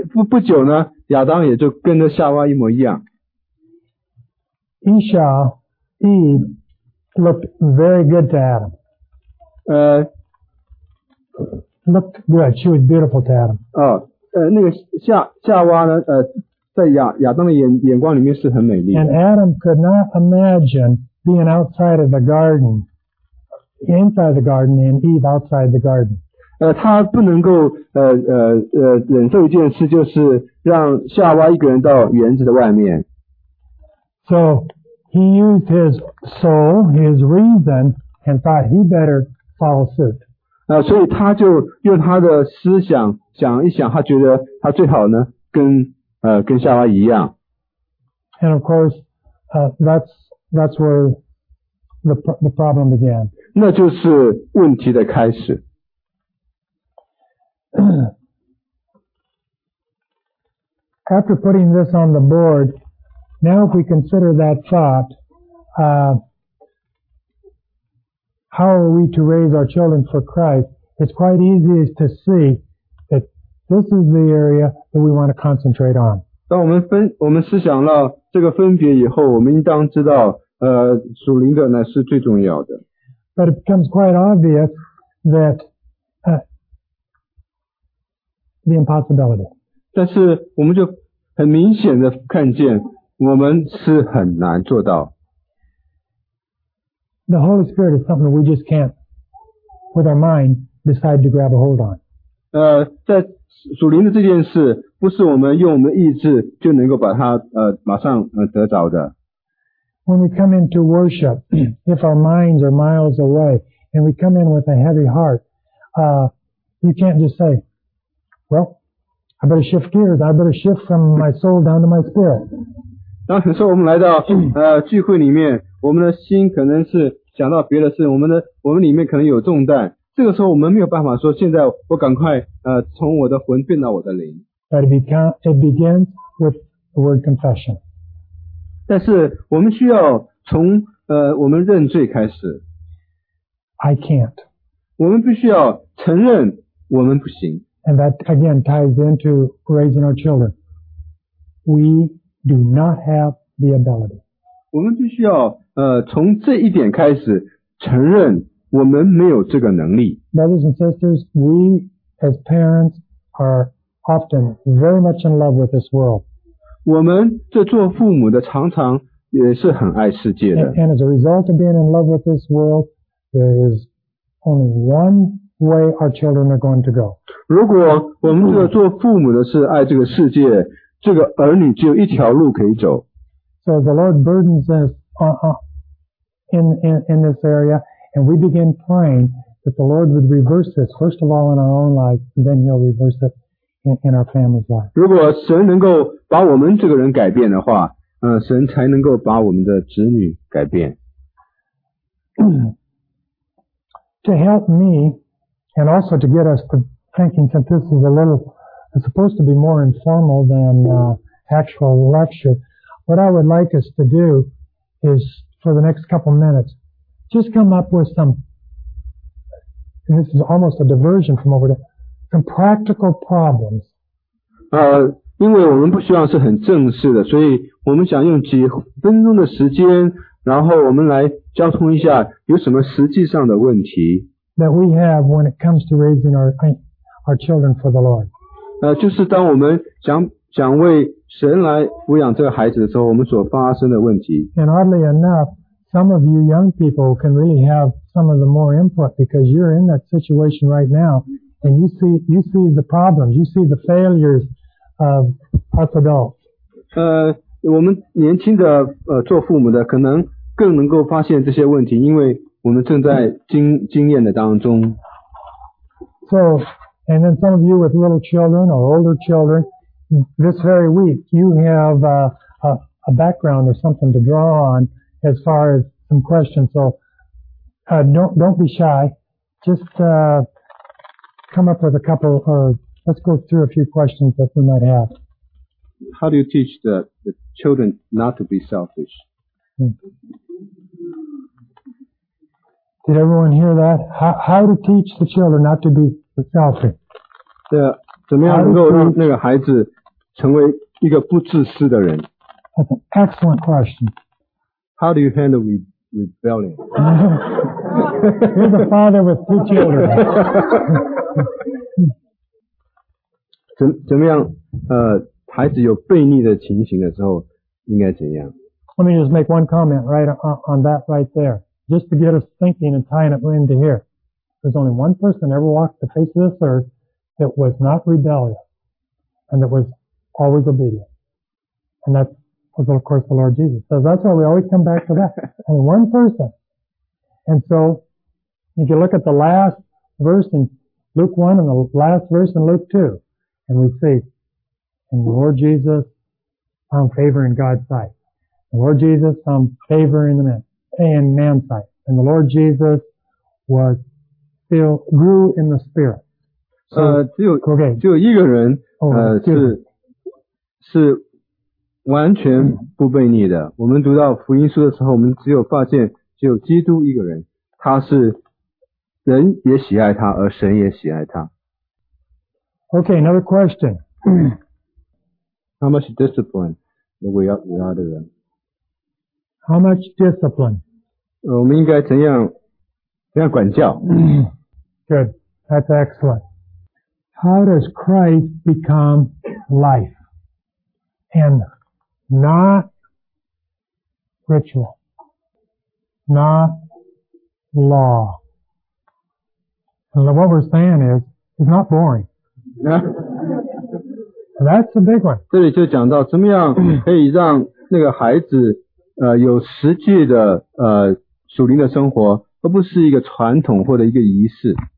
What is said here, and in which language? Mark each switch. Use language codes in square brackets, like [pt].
[zh] 不久呢，亚当也就跟着夏娃一模一样。 [en] Eve looked very good to Adam. Looked good. She was beautiful to Adam. [zh] 那个夏娃呢？在亚当的眼光里面是很美丽的。 [en] And Adam could not imagine being outside of the garden, inside the garden, and Eve outside the garden. [zh] 他不能够忍受一件事，就是让夏娃一个人到园子的外面。 [en] So he used his soul, his reason, and thought he better follow suit. [zh] 所以他就用他的思想想一想，他觉得他最好呢跟夏娃一样。 [en] And of course, that's where the problem began. [zh] 那就是问题的开始。 [en] After putting this on the board, now if we consider that thought, how are we to raise our children for Christ? It's quite easy to see that this is the area that we want to concentrate on. [zh] 当我们思想到这个分别以后，我们应当知道，属灵的呢是最重要的。 [en] But it becomes quite obvious that the impossibility. [zh] 但是我们就很明显的看见我们是很难做到。 [en] The Holy Spirit is something we just can't, with our mind, decide to grab a hold on. [zh] 在属灵的这件事不是我们用我们意志就能够把它马上得着的。 [en] When we come in to worship, if our minds are miles away, and we come in with a heavy heart, you can't just say, well, I better shift gears, I better shift from my soul down to my spirit. [zh] 当时说我们来到聚会里面，我们的心可能是想到别的事，我们里面可能有重担，这个时候我们没有办法说现在我赶快从我的魂变到我的灵。 [en] But it begins with the word confession. [zh] 但是我们需要从我们认罪开始。 [en] I can't. [zh] 我们必须要承认我们不行。 [en] And that again ties into raising our children. We do not have the ability. [zh] 我们必须要从这一点开始承认我们没有这个能力。 [en] Brothers and sisters, we as parents are often very much in love with this world. [zh] 我们这做父母的常常也是很爱世界的。 [en] And as a result of being in love with this world, there is only one way our children are going to go. [zh] 如果我们这个做父母的是爱这个世界，这个儿女只有一条路可以走。 [en] So the Lord burdens us in this area, and we begin praying that the Lord would reverse this, first of all in our own life, and then He'll reverse it in our family's life. [zh] 如果神能够把我们这个人改变的话，神才能够把我们的子女改变。 [en] To help me, and also to get us to thinking, since this is it's supposed to be more informal than actual lecture, what I would like us to do is, for the next couple minutes, just come up with some, and this is almost a diversion from over there, some practical problems. [zh] 因为我们不希望是很正式的，所以我们想用几分钟的时间，然后我们来交通一下有什么实际上的问题。 [en] That we have when it comes to raising our children for the Lord. [zh] 就是当我们想为神来抚养这个孩子的时候，我们所发生的问题。 [en] And oddly enough, some of you young people can really have some of the more input because you're in that situation right now, and you see the problems, you see the failures of us adults. [zh] 我们年轻的做父母的可能更能够发现这些问题，因为我们正在经验的当中。 [en] So, and then some of you with little children or older children, this very week you have a background or something to draw on as far as some questions. So, don't be shy. Just come up with a couple, or let's go through a few questions that we might have. How do you teach the children not to be selfish? Did everyone hear that? How to teach the children not to be selfish? [zh] 怎么样能够让那个孩子成为一个不自私的人？ [en] That's an excellent question. How do you handle rebellion? You're the father with two children. [zh] 怎么样孩子有悖逆的情形的时候应该怎样？ [en] Let me just make one comment right on that right there. Just to get us thinking and tying it into here. There's only one person ever walked the face of this earth that was not rebellious and that was always obedient. And that was, of course, the Lord Jesus. So that's why we always come back to that. Only one person. And so if you look at the last verse in Luke 1 and the last verse in Luke 2, and we see, and the Lord Jesus found favor in God's sight. The Lord Jesus found favor in man's sight. And the Lord Jesus was still grew in the spirit. So, [zh] 只有一个人是完全不悖逆的。我们读到福音书的时候，我们只有发现只有基督一个人，他是人也喜爱他，而神也喜爱他。 [en] Okay, another question. How much discipline do we are the人？ How much discipline？ [zh] 我们应该怎样管教？ [en] Good, that's excellent. How does Christ become life? And not ritual, not law. And what we're saying is, it's not boring. That's the big one. [zh] 这里就讲到怎么样可以让那个孩子有实际的属灵的生活，而不是一个传统或者一个仪式。